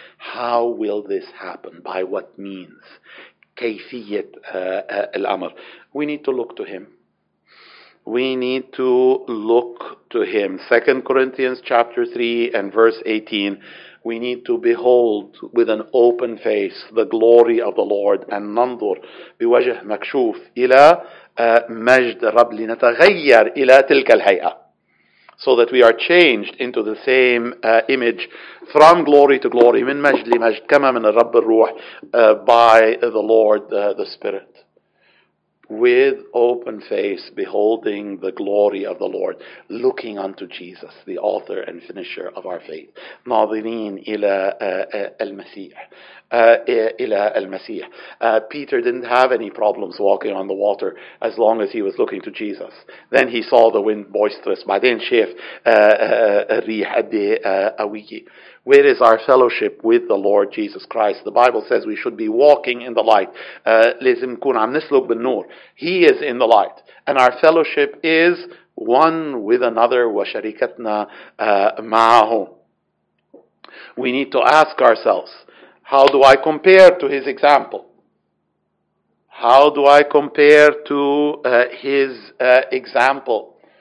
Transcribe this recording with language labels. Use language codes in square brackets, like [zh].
[en] How will this happen? By what means? [ar] كيفية الأمر. [en] We need to look to him. We need to look to him. 2 Corinthians chapter 3 and verse 18. We need to behold with an open face the glory of the Lord. And [ar] ننظر بوجه مكشوف إلى مجد رب لنتغير إلى تلك الهيئة. [en] so that we are changed into the same image from glory to glory, [ar] min majd li majd, kama min al-Rabb al-Ruh, [en] by the Lord, the Spirit. With open face, beholding the glory of the Lord, looking unto Jesus, the author and finisher of our faith. [ar] ناظرين إلى المسيح. إلى المسيح. [en] Peter didn't have any problems walking on the water as long as he was looking to Jesus. Then he saw the wind boisterous. [ar] بعدين شاف الريح قوية. [en] Where is our fellowship with the Lord Jesus Christ? The Bible says we should be walking in the light. [ar] لازم نكون عم نسلك بالنور. [en] He is in the light. And our fellowship is one with another. [ar] وشركتنا معه. [en] We need to ask ourselves, how do I compare to his example? How do I compare to his example?